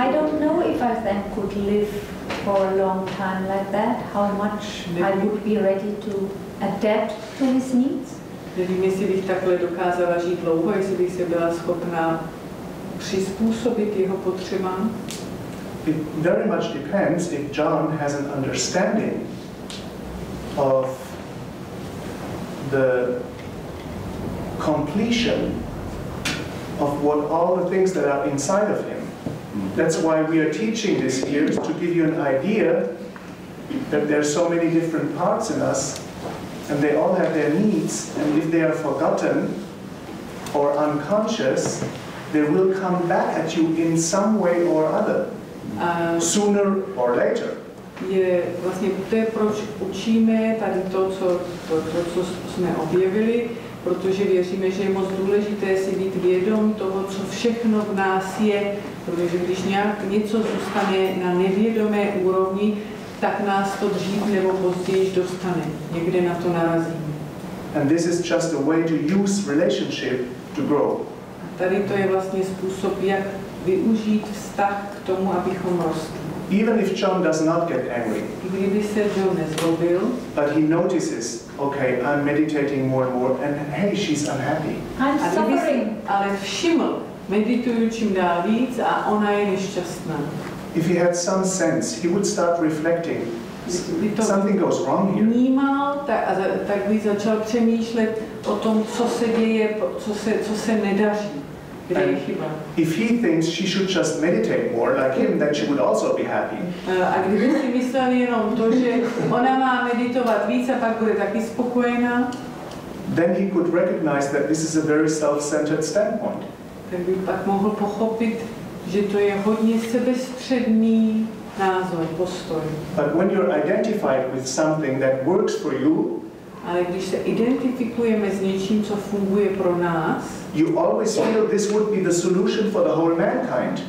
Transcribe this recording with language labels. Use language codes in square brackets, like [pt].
[en] I don't know if I then could live for a long time like that, how much I would be ready to adapt to his needs. [cs] Nevím, jestli bych takhle dokázala žít dlouho, jestli bych se byla schopna přizpůsobit jeho potřebám. [en] It very much depends if John has an understanding of the completion of what all the things that are inside of him. That's why we are teaching this here, is to give you an idea that there are so many different parts in us and they all have their needs, and if they are forgotten or unconscious, they will come back at you in some way or other, sooner or later. [cs] Je vlastně to, proč učíme tady to, co jsme objevili, protože věříme, že je moc důležité si být vědom toho, co všechno v nás je, protože když nějak něco zůstane na nevědomé úrovni, tak nás to dřív nebo později dostane. Někde na to narazíme. [en] And this is just a way to use relationship to grow. [cs] A tady to je vlastně způsob, jak využít vztah k tomu, abychom rostli. [en] Even if John does not get angry, [cs] kdyby se John nezlobil, [en] but he notices, okay, I'm meditating more and more, and hey, she's unhappy. I'm suffering. [cs] Ale všiml, medituju čím dál víc a ona je nešťastná. [en] If he had some sense, he would start reflecting. Something goes wrong here. [cs] Vnímal, tak by začal přemýšlet, o tom, co se děje, co se nedaří, kde and je chyba. [en] If he thinks she should just meditate more like him, then she would also be happy. [cs] A kdyby si myslel jenom to, že ona má meditovat víc a pak bude taky spokojená, [en] then he could recognize that this is a very self-centered standpoint. [cs] Tak by pak mohl pochopit, že to je hodně sebestředný názor, postoj. [en] But when you're identified with something that works for you, [cs] ale když se identifikujeme s něčím, co funguje pro nás, [en] you always feel this would be the solution for the whole mankind.